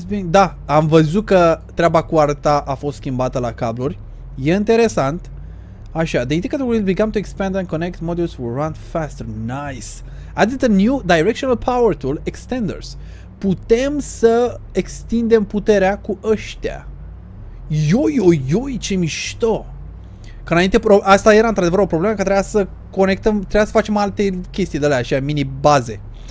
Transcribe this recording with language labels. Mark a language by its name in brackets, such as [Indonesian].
[Romanian] Da, am văzut că treaba cu arta a fost schimbată la cabluri. E interesant. [English] Așa, the indicator will begin to expand and connect modules will run faster. Nice! Added a new directional power tool, extenders. [Romanian] Putem să extindem puterea cu ăștia. Ioi, ce mișto! Că înainte, asta era într-adevăr o problemă, că trebuia să conectăm, trebuia să facem alte chestii de alea, așa, mini baze.